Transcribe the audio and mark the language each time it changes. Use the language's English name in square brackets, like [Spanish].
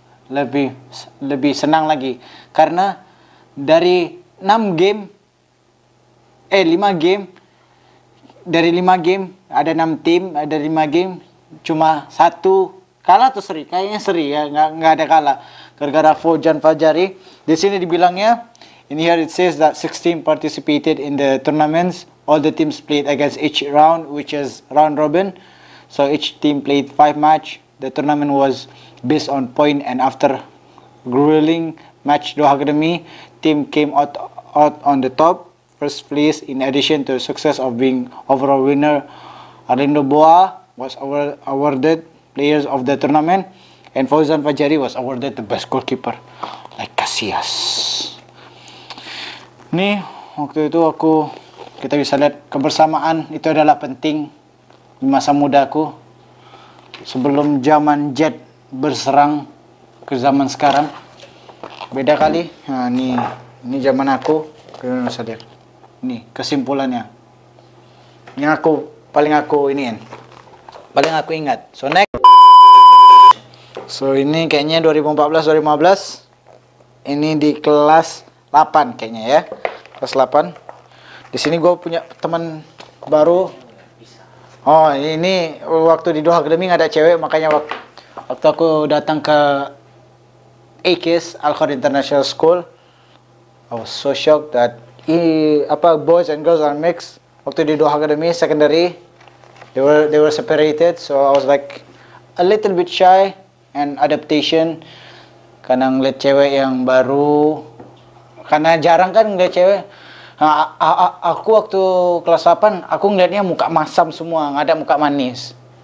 [Indonesian] Lebih senang lagi. Karena dari 5 game. Dari 5 game, ada 6 tim, ada 5 game. Cuma satu kalah atau seri? Kayaknya seri ya, nggak ada kalah. Gara-gara Fojan Fajari. Di sini dibilangnya, [English] in here it says that 6 team participated in the tournaments. All the teams played against each round, which is round robin. So each team played 5 match. The tournament was based on point and after grueling match Doha Academy, team came out on the top, first place. In addition to the success of being overall winner, Arlindo Boa was awarded players of the tournament and Fauzan Fajari was awarded the best goalkeeper. Like Casillas. [Indonesian] Nih, waktu itu aku, kita bisa lihat kebersamaan itu adalah penting. Di masa mudaku, sebelum zaman jet berserang ke zaman sekarang, beda kali. Nah, ini zaman aku. Kalian sadar? Ini kesimpulannya. Yang aku paling aku ini kan, paling aku ingat. [English] So next, so [Indonesian] ini kayaknya [English] 2014-2015. [Indonesian] Ini di kelas 8 kayaknya ya, kelas 8. Di sini gue punya teman baru. Oh ini waktu di Doha Academy gak ada cewek, makanya waktu aku datang ke AKS Alkhor International School, [English] I was so shocked that boys and girls are mixed. [Indonesian] Waktu di Doha Academy secondary, [English] they were separated, so I was like a little bit shy and adaptation. [Indonesian] Karena ngeliat cewek yang baru, karena jarang kan ngeliat cewek. Nah, aku waktu kelas 8, aku ngeliatnya muka masam semua, nggak ada muka manis.